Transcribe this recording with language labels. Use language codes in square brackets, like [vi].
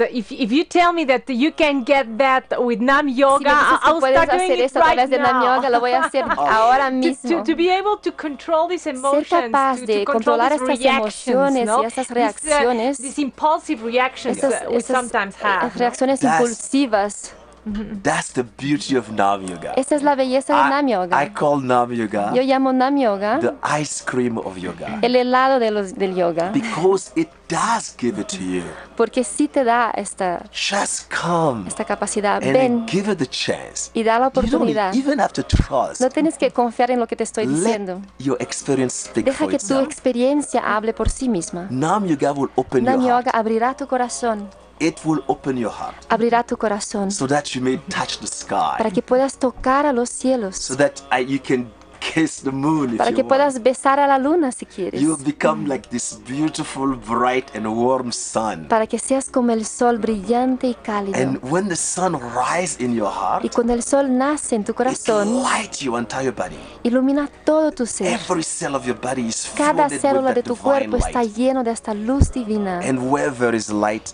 [en] If you tell me that you can get that with Nam Yoga, [es] si me dices que [en] I'll [es] puedes [en] start [es] hacer [en] doing [es] esto a través [en] right [es] de Nam Yoga, lo voy a hacer ahora mismo. [en] To be able to control these emotions, [es] ser capaz de controlar estas emociones. No? Y esas reacciones, [en] these impulsive reactions we sometimes have, [es] reacciones impulsivas. [en] That's the beauty of Nam Yoga. [es] Esa es la belleza de Nam Yoga. [en] I call Nam Yoga. [es] Yo llamo Nam Yoga. [en] The ice cream of yoga. [es] El helado del yoga. [en] Because it does give it to you. [es] Porque sí te da esta. [en] Just come. [es] Esta capacidad. [en] And [es] ven. [en] Give it the chance. [es] Y da la oportunidad. [en] You don't even have to trust. [es] No tienes que confiar en lo que te estoy diciendo. [en] Let your experience speak for itself. [es] Deja que tu experiencia hable por sí misma. [en] Nam Yoga will open [es] Nam [en] your [es] Yoga [en] heart. [es] Abrirá tu corazón. [en] It will open your heart. [es] Abrirá tu corazón. [en] So that you may touch the sky. [es] Para que puedas tocar a los cielos. [en] So that you can kiss the moon [es] para [en] if [es] que [en] you [es] puedas [en] want. [es] Besar a la luna si quieres. [en] You become like this beautiful, bright and warm sun. [es] Para que seas como el sol brillante y cálido. [en] And when the sun rises in your heart. [es] Y cuando el sol nace en tu corazón. [en] It lights your entire body. [es] Ilumina todo tu ser. [en] Every cell of your body is [es] cada [en] flooded [es] cada célula [en] with [es] de tu cuerpo [en] light. [es] Está lleno de esta luz divina. [en] And where there is light.